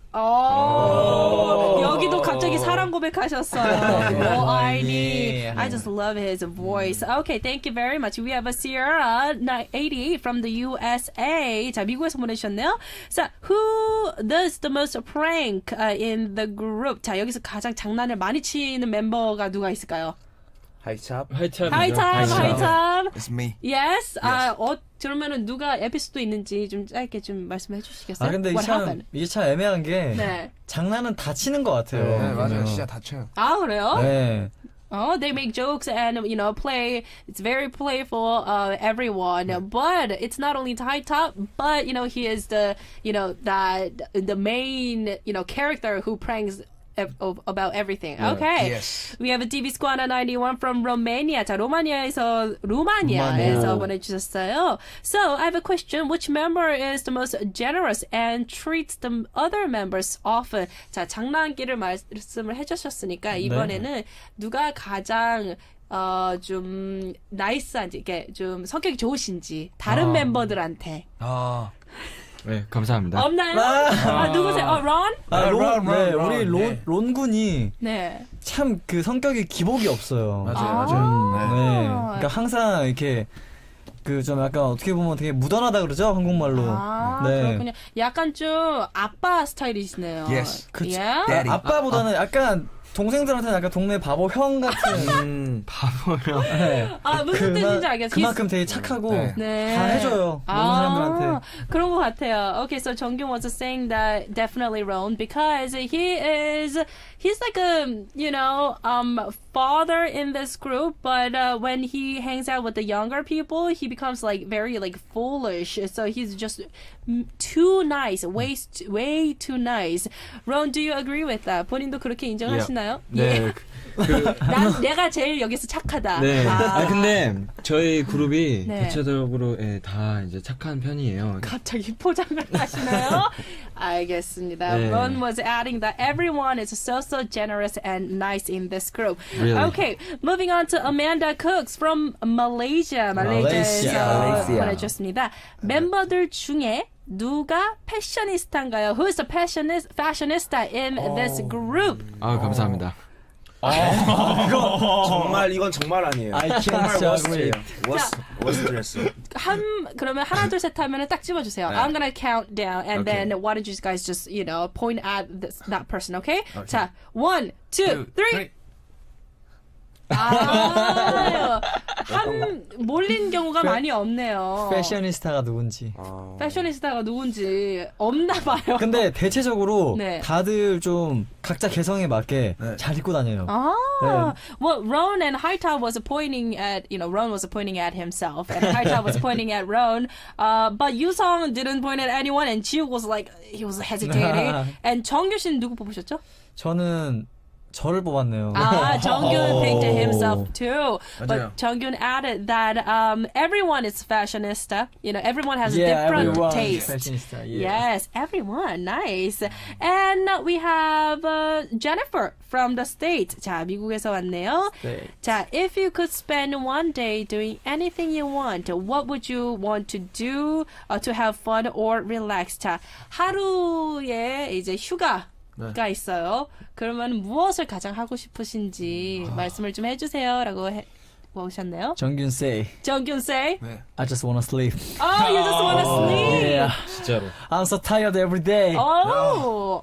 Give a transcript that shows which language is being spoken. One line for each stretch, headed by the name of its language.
Korean: 오, 오 여기도 갑자기 사랑 고백하셨어요.
English: Oh, I need. I just love his voice. Okay, thank you very much. We have a Sierra 988 from the USA.
Korean: 자, 미국에서 보내주셨네요.
English: So, who does the most prank in the group?
Korean: 자, 여기서 가장 장난을 많이 치는 멤버가 누가 있을까요?
English: Hi, Tom. It's me. Yes. Yes.
Korean: 그러면은 누가 에피소드 있는지 좀 짧게 좀 말씀해 주시겠어요? 아, 근데 이게 참 애매한 게 네. 장난은 다 치는 것 같아요. 네, 맞아요. 진짜 다 쳐요. 아, 그래요? 네.
English: Oh, they make jokes and, you know, play. It's very playful, everyone. Yeah. But it's not only Tai Top, but, you know, he is the, you know, that the main, you know, character who pranks about everything. Yeah. Okay. Yes. We have a TV Squad 91 from Romania.
Korean: 자, 루마니아에서 보내주셨어요.
English: So, I have a question. Which member is the most generous and treats the other members often?
Korean: 자, 장난기를 말씀을 해주셨으니까 이번에는 네. 누가 가장 좀 나이스한지, 이렇게 좀 성격이 좋으신지 다른 멤버들한테. 네, 감사합니다. 없나요? 아, 누구세요? 론? 네, 우리 론 군이 네. 참 그 성격이 기복이 없어요. 맞아요. 네. 네. 그러니까 항상 이렇게 그 좀 약간 어떻게 보면 되게 무던하다 그러죠? 한국말로. 네. 그렇군요. 약간 좀 아빠 스타일이시네요.
English: Yes.
Korean: 그렇죠.
English: Yeah?
Korean: 아빠보다는 약간 동생들한테는 약간 동네 바보 형 같은 바보 형. 네. 아 무슨 뜻인지 알겠어. 그만큼 되게 착하고 네. 다 해줘요 모든 사람들한테. 그런 것 같아요.
English: Okay, so Jonghyun was saying that definitely Ron because he's like a you know father in this group, but when he hangs out with the younger people, he becomes like very like foolish. So he's just too nice, way too nice. Ron, do you agree with that?
Korean: 본인도 그렇게 인정하시나요?
English: Yeah.
Korean: 네. 난 내가 제일 여기서 착하다. 네. 아 근데 저희 그룹이 네. 대체적으로 예, 다 이제 착한 편이에요. 갑자기 포장을 하시나요? 알겠습니다. 네.
English: Ron was adding that everyone is so generous and nice in this group. Really? Okay, moving on to Amanda Cooks from Malaysia. Malaysia.
Korean: 보내주셨습니다. 멤버들 중에 누가 패셔니스타인가요?
English: Who is the fashionista in this group?
Korean: 아 감사합니다. 이거 정말 이건 정말 아니에요.
English: I can't say what's dress.
Korean: 한 그러면 하나 둘 셋 하면은 딱 집어주세요. 네.
English: I'm gonna count down and okay. then why don't you guys just you know point at this, that person, okay? okay. 자, one, two, three.
Korean: 아, 몰린 경우가 많이 없네요. 패셔니스타가 누군지. 패셔니스타가 누군지 없나 봐요. 근데 대체적으로 네. 다들 좀 각자 개성에 맞게 네. 잘 입고 다녀요. 아, 네.
English: Well, Ron and Haita was pointing at, you know, Ron was pointing at himself, and Haita was pointing at Ron. But Yusung didn't point at anyone, and Jiwoo was like, he was hesitating. and
Korean: 정규 씨는 누구 뽑으셨죠? 저는 저를 뽑았네요. 아, 정규는
English: picked himself too.
Korean: 맞아요.
English: But
Korean: 정규는
English: added that everyone is fashionista. You know, everyone has yeah, a different everyone. taste. Fashionista, yeah. Yes, everyone. Nice. And we have Jennifer from the States.
Korean: 자, 미국에서 왔네요.
English: States. 자, if you could spend one day doing anything you want, what would you want to do to have fun or relax?
Korean: 자, 하루에 이제 휴가. 네. 가 있어요. 그러면 무엇을 가장 하고 싶으신지 말씀을 좀 해주세요라고 오셨네요.
English: 정균 say. 정균 say.
Korean: 네.
English: I just wanna sleep. Oh, you just wanna sleep. Yeah.
Korean: 진짜로.
English: I'm so tired every day. Oh, yeah.